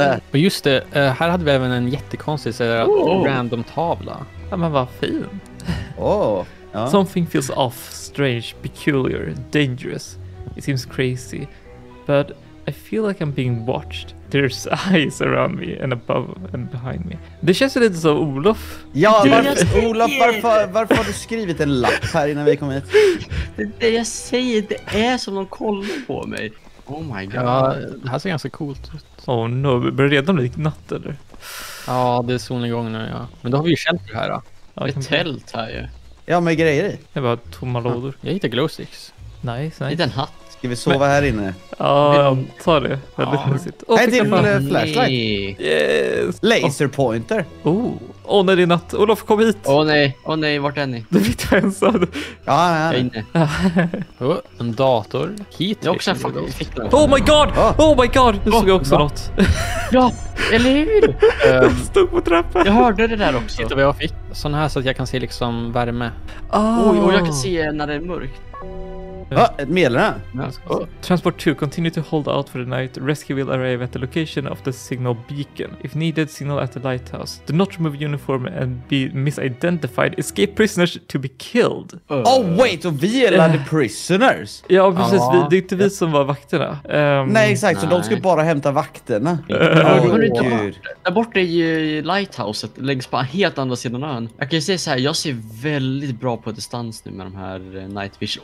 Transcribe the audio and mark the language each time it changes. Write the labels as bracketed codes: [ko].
[sv] Men just det, här hade vi även en jättekonstig random tavla. Ja, men vad fin. [en] Something feels off, strange, peculiar, dangerous. It seems crazy, but I feel like I'm being watched. There's eyes around me and above and behind me. [sv] Det känns lite som Olof. Ja, Olof, varför har du skrivit en lapp här innan vi kom hit? Det jag säger, det är som de kollar på mig. [en] Oh my god. [sv] Ja, det här ser ganska coolt ut. [en] Oh no, [sv] blir det redan lik natt eller? Ja, det är solnedgång nu, ja. Men då har vi ju känt det här då. Ja, det är tält här ju. Ja, med grejer i. Det är bara tomma lådor. Jag hittar glow sticks. [en] Nice. [sv] Hittar en hatt. Ska vi sova här inne? Ja, ta det. Väldigt mysigt. Och en till [en] flashlight. Yes. Laser pointer. [sv] Åh nej, det är natt. Olof, kom hit. Åh nej, vart är ni? Du vet vad jag sa. Ja, jag är inne. En dator. Hit. Jag också har fått en ficklampa. [en] Oh my god! Oh my god! [sv] Nu såg jag också något. Ja, eller hur? Stod på trappan. Jag hörde det där också. Titta vad jag fick. Sån här så att jag kan se liksom värme. Och jag kan se när det är mörkt. Medlarna. [en] Transport 2, continue to hold out for the night. Rescue will arrive at the location of the signal beacon. If needed, signal at the lighthouse. Do not remove uniform and be misidentified. Escape prisoners to be killed. [sv] Och vi är [en] landed prisoners. [sv] Ja, precis. Det är inte vi som var vakterna. Nej, exakt. Så de ska bara hämta vakterna. Där borta är ju lighthouset. Längs på helt andra sidan ön. Jag kan ju säga så här, jag ser väldigt bra på distans nu med de här night vision.